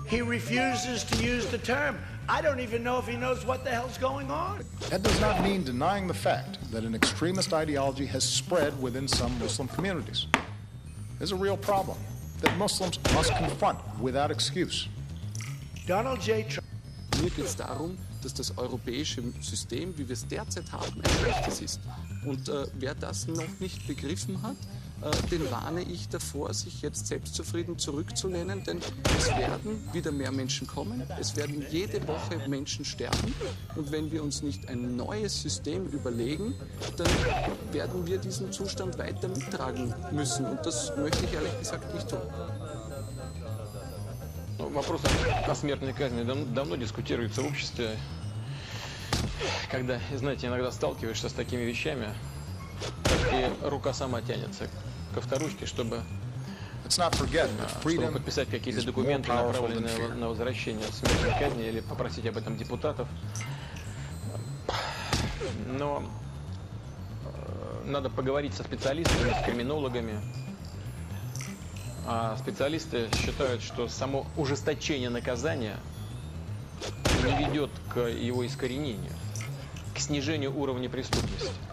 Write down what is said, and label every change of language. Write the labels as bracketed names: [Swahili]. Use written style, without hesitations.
[English] He refuses to use the term. I don't even know if he knows what the hell's going on. That does not mean denying the fact that an extremist ideology has spread within some Muslim communities. It's a real problem that Muslims must confront without excuse. Donald J. Trump. [German] Mir geht es darum, dass das europäische System, wie wir es derzeit haben, ein schlechtes ist. Und wer das noch nicht begriffen hat, den warne ich davor, sich jetzt selbstzufrieden zurückzulehnen, denn es werden wieder mehr Menschen kommen, es werden jede Woche Menschen sterben und wenn wir uns nicht ein neues System überlegen, dann werden wir diesen Zustand weiter mittragen müssen und das möchte ich ehrlich gesagt nicht tun. [Russian] Вопрос о смертной казни давно дискутируется в обществе, когда, знаете, иногда сталкиваешься с такими вещами, как и рука сама тянется. [English] Let's not forget that freedom is more powerful than fear. [Russian] На возвращение смертной казни или попросить об этом депутатов. Но надо поговорить со специалистами, с криминологами. А специалисты считают, что само ужесточение наказания не ведет к его искоренению, к снижению уровня преступности.